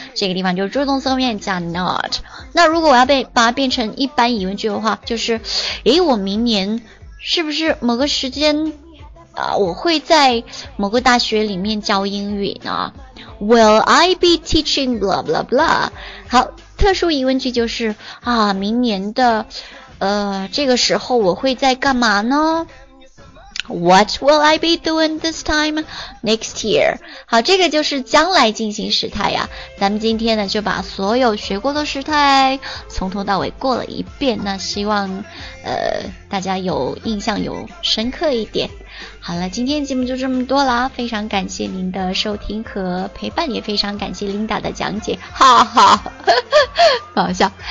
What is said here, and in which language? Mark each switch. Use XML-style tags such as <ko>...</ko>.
<zh>这个地方就是助动词后面加 not。那如果我要把它变成一般疑问句的话，就是诶，我明年是不是某个时间我会在某个大学里面教英语呢。</zh> <en>Will I be teaching blah blah blah?</en> <zh>好，特殊疑问句就是啊，明年的这个时候我会在干嘛呢？</zh> <en>What will I be doing this time next year?</en> <zh>好，这个就是将来进行时态呀。咱们今天呢就把所有学过的时态从头到尾过了一遍，那希望大家有印象有深刻一点。好了，今天节目就这么多啦，非常感谢您的收听和陪伴，也非常感谢 Linda 的讲解，哈哈，不好笑。</zh>